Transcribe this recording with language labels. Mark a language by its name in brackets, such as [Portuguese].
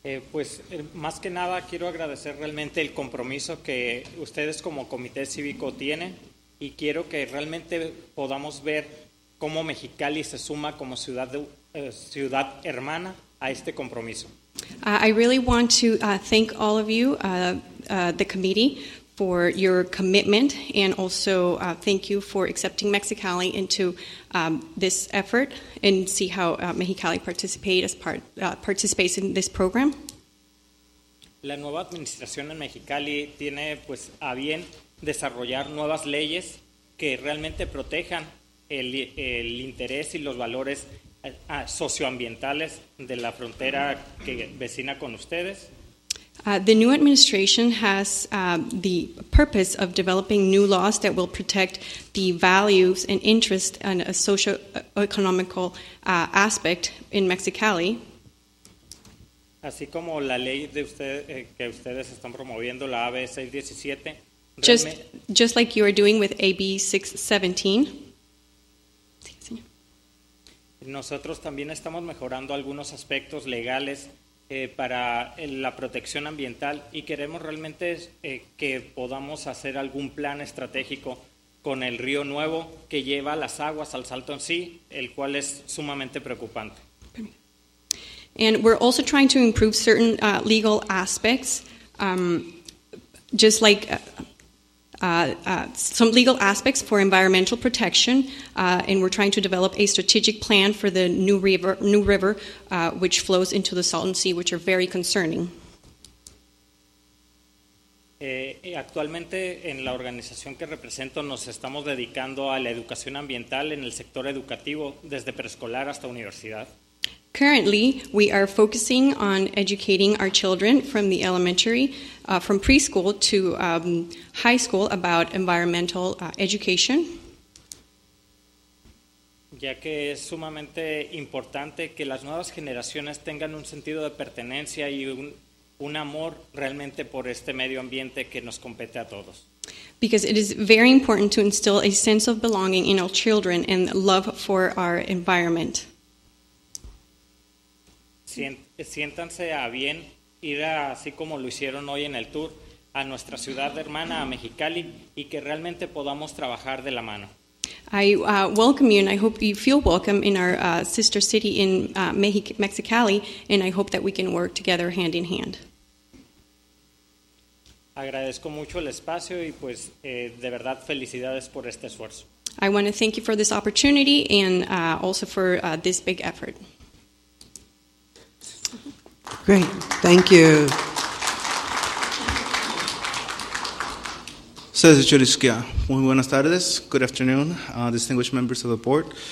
[Spanish] Pues, más que nada, quiero agradecer realmente el compromiso que ustedes como Comité Cívico tienen, y quiero que realmente podamos ver cómo Mexicali se suma como ciudad hermana a este compromiso. [English] I really want to thank all of you, the committee, for your commitment, and also thank you for accepting Mexicali into this effort, and see how Mexicali participates in this program. [Spanish] La nueva administración en Mexicali tiene pues a bien desarrollar nuevas leyes que realmente protejan el interés y los valores socioambientales de la frontera que vecina con ustedes. [English] The new administration has the purpose of developing new laws that will protect the values and interests and a socio-economical aspect in Mexicali. [Spanish] Así como la ley de usted, que ustedes están promoviendo, la AB 617. [English] Just like you are doing with AB 617. [Spanish] Nosotros también estamos mejorando algunos aspectos legales para la protección ambiental, y queremos realmente que podamos hacer algún plan estratégico con el río Nuevo que lleva las aguas al Salto en sí, el cual es sumamente preocupante. [English] And we're also trying to improve certain legal aspects, just like some legal aspects for environmental protection, and we're trying to develop a strategic plan for the new river, which flows into the Salton Sea, which are very concerning. [Spanish] Actualmente, en la organización que represento, nos estamos dedicando a la educación ambiental en el sector educativo, desde preescolar hasta universidad. [English] Currently, we are focusing on educating our children from the elementary, from preschool to high school about environmental education. [Spanish] Ya que es sumamente importante que las nuevas generaciones tengan un sentido de pertenencia y un amor realmente por este medio ambiente que nos compete a todos. [English] Because it is very important to instill a sense of belonging in our children and love for our environment. [Spanish] Siéntanse a bien ir a, así como lo hicieron hoy en el tour, a nuestra ciudad hermana, a Mexicali, y que realmente podamos trabajar de la mano. [English] I welcome you, and I hope you feel welcome in our sister city in Mexicali, and I hope that we can work together hand in hand. [Spanish] Agradezco mucho el espacio, y pues de verdad felicidades por este esfuerzo. [English] I want to thank you for this opportunity and also for this big effort. Great, thank you. César Churisquia, [Spanish] muy buenas tardes, [English] good afternoon, distinguished members of the board.